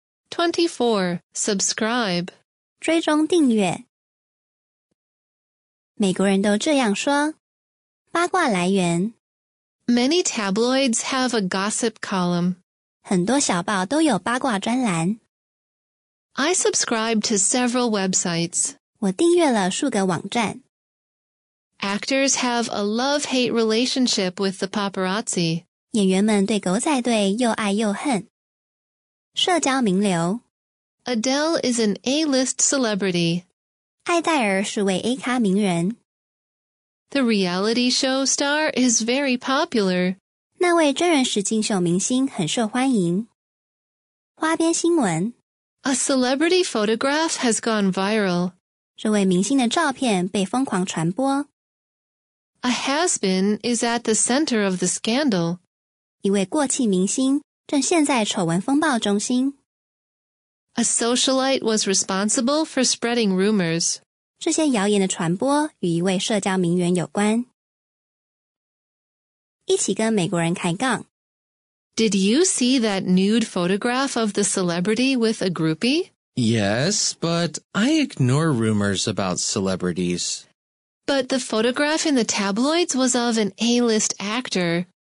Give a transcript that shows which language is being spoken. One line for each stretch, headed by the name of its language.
English: 24. Subscribe.
Chinese: 追踪订阅。美国人都这样说。八卦来源。
English: Many tabloids have a gossip column.
Chinese: 很多小报都有八卦专栏。
English: I subscribe to several websites.
Chinese: 我订阅了数个网站。
English: Actors have a love-hate relationship with the paparazzi.
Chinese: 演员们对狗仔队又爱又恨。社交名流。
English: Adele is an A-list celebrity.
Chinese: 艾黛尔是位 A 咖名人。
English: The reality show star is very popular.
Chinese: 那位真人实境秀明星很受欢迎。花边新闻。
English: A celebrity photograph has gone viral.
Chinese: 这位明星的照片被疯狂传播。
English: A has-been is at the center of the scandal.
Chinese: 一位过气明星正陷在丑闻风暴中心。
English: A socialite was responsible for spreading rumors.
Chinese: 这些谣言的传播与一位社交名媛有关。一起跟美国人开杠。
English: Did you see that nude photograph of the celebrity with a groupie? Yes, but I ignore rumors about celebrities. But the photograph in the tabloids was of an A-list actor.